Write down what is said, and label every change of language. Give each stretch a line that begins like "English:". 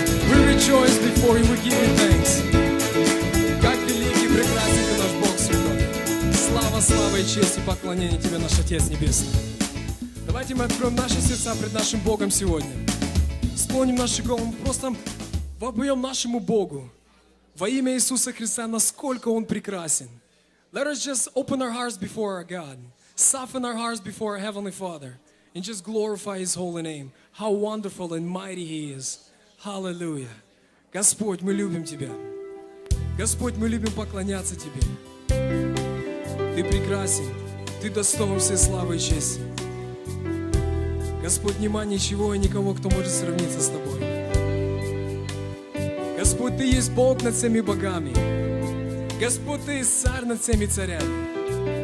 English: We rejoice before you. We give you thanks.
Russian: Как великий и прекрасен ты наш Бог Святой. Слава, слава и честь и поклонение тебе, наш Отец Небесный. Давайте мы откроем наши сердца пред нашим Богом сегодня. Склоним наши головы. Просто вопьем нашему Богу. Во имя Иисуса Христа, насколько Он прекрасен.
English: Let us just open our hearts before our God. Soften our hearts before our Heavenly Father. And just glorify His holy name. How wonderful and mighty He is.
Russian: Hallelujah. Господь, мы любим Тебя. Господь, мы любим поклоняться Тебе. Ты прекрасен. Ты достоин всей славы и чести. Господь, нема ничего и никого, кто может сравниться с Тобой. Господь, Ты есть Бог над всеми богами. Господь, Ты есть Царь над всеми царями.